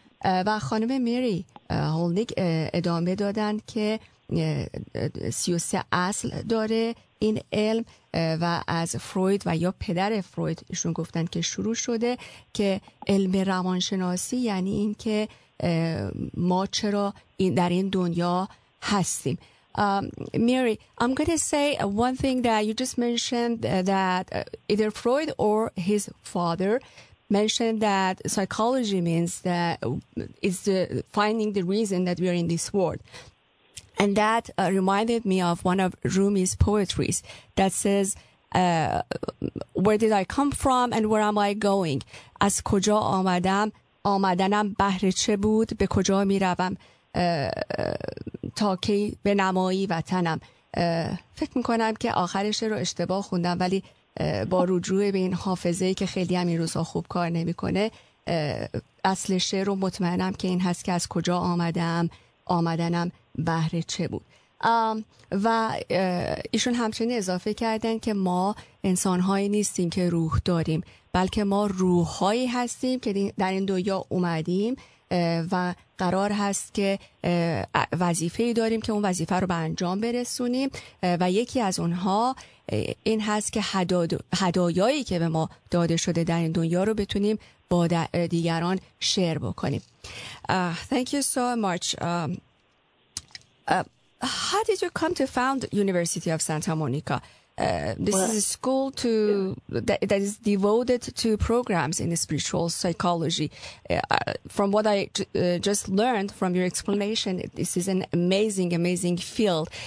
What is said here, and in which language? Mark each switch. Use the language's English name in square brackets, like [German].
[Persian] و خانم میری هولنیک ادامه دادن که 33 اصل داره این علم و از فروید و یا پدر فروید ایشون گفتن که شروع شده، که علم روانشناسی یعنی این که ما چرا در این دنیا هستیم. [English] Mary, I'm going to say one thing that you just mentioned, that either Freud or his father mentioned that psychology means that it's the finding the reason that we are in this world. And that reminded me of one of Rumi's poetries that says, where did I come from and where am I going? [Persian] از کجا آمدم؟ آمدنم بهر چه بود؟ به کجا می روم؟ تا کی به نمایی وطنم؟ فکر میکنم که آخرش رو اشتباه خوندم، ولی با رجوع به این حافظهی که خیلی هم این روزها خوب کار نمی کنه، اصل شعر رو مطمئنم که این هست که از کجا آمدم؟ آمدنم بهر چه بود؟ و ایشون همچنین اضافه کردن که ما انسانهایی نیستیم که روح داریم، بلکه ما روحهایی هستیم که در این دنیا اومدیم و قرار هست که وظیفه ای داریم که اون وظیفه رو به انجام برسونیم، و یکی از اونها این هست که هدایایی که به ما داده شده در این دنیا رو بتونیم با دیگران شیر بکنیم. [English] Thank you so much. How did you come to found University of Santa Monica? This is a school to that is devoted to programs in spiritual psychology. From what I just learned from your explanation, this is an amazing, amazing field.